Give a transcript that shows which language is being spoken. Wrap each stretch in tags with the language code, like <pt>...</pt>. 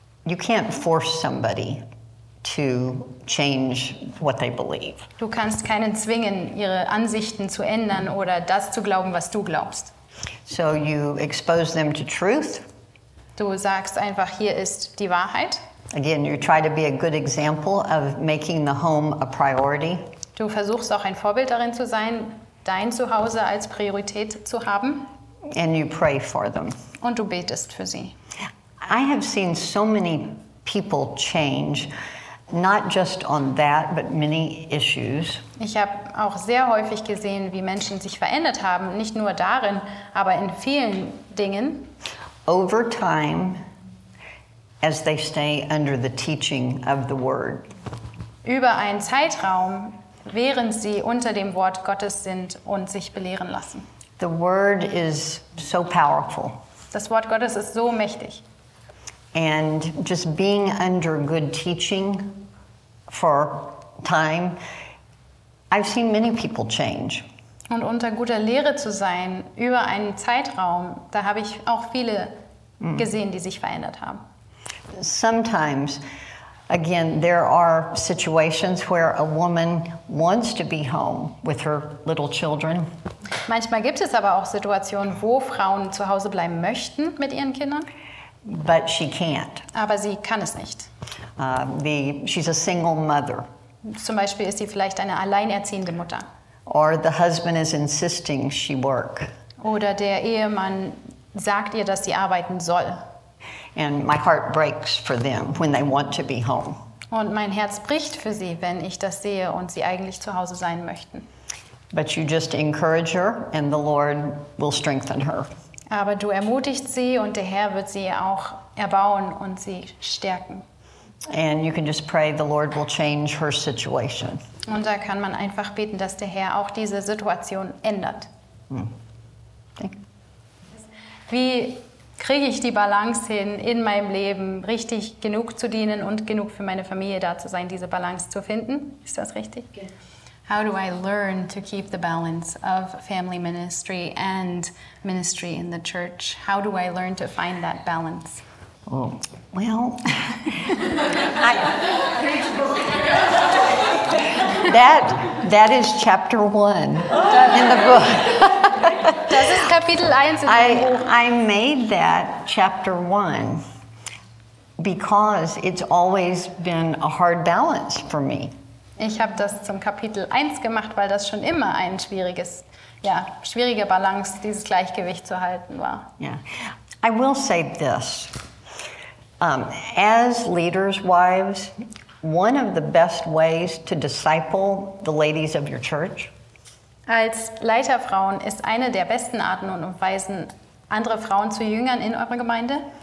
<en>You can't force somebody to change what they believe.</en> <de>Du kannst keinen zwingen, ihre Ansichten zu ändern oder das zu glauben, was du glaubst.</de> <en>So you expose them to truth.</en> <de>Du sagst einfach, hier ist die Wahrheit.</de> <en>Again, you try to be a good example of making the home a priority.</en> <de>Du versuchst auch ein Vorbild darin zu sein, dein Zuhause als Priorität zu haben.</de> <en>And you pray for them.</en> <de>Und du betest für sie.</de> <en>I have seen so many people change, not just on that, but many issues.</en> <de>Ich habe auch sehr häufig gesehen, wie Menschen sich verändert haben, nicht nur darin, aber in vielen Dingen.</de> <en>Over time, as they stay under the teaching of the Word.</en> <de>Über einen Zeitraum, während sie unter dem Wort Gottes sind und sich belehren lassen.</de> <en>The Word is so powerful.</en> <de>Das Wort Gottes ist so mächtig.</de> <en>And just being under good teaching for time, I've seen many people change.</en> <de>Und unter guter Lehre zu sein, über einen Zeitraum, da habe ich auch viele gesehen, die sich verändert haben.</de> <en>Sometimes, again, there are situations where a woman wants to be home with her little children.</en> <de>Manchmal gibt es aber auch Situationen, wo Frauen zu Hause bleiben möchten mit ihren Kindern.</de> <en>But she can't.</en> <de>Aber sie kann es nicht.</de> <en>She's a single mother.</en> <de>Zum Beispiel ist sie vielleicht eine alleinerziehende Mutter.</de> <en>Or the husband is insisting she work.</en> <de>Oder der Ehemann sagt ihr, dass sie arbeiten soll.</de> <en>And my heart breaks for them when they want to be home.</en> <de>Und mein Herz bricht für sie, wenn ich das sehe und sie eigentlich zu Hause sein möchten.</de> <en>But you just encourage her and the Lord will strengthen her.</en> <de>Aber du ermutigst sie und der Herr wird sie auch erbauen und sie stärken.</de> <en>And you can just pray the Lord will change her situation.</en> <de>Und da kann man einfach beten, dass der Herr auch diese Situation ändert.</de> <en>Okay.</en> <de>Wie kriege ich die Balance hin in meinem Leben, richtig genug zu dienen und genug für meine Familie da zu sein, diese Balance zu finden? Ist das richtig?</de> <en>How do I learn to keep the balance of family ministry and ministry in the church? How do I learn to find that balance? Oh. Well, that is chapter one in the book.</en> <de>Das ist Kapitel 1</de> <en>in I made that chapter one because it's always been a hard balance for me.</en> <de>Ich habe das zum Kapitel 1 gemacht, weil das schon immer ein schwieriges, ja, schwierige Balance, dieses Gleichgewicht zu halten war.</de> <en>Yeah. I will say this. As leaders, wives, one of the best ways to disciple the ladies of your church.</en> <de>Als Leiterfrauen ist eine der besten Arten und Weisen, andere Frauen zu jüngern in eurer Gemeinde.</de>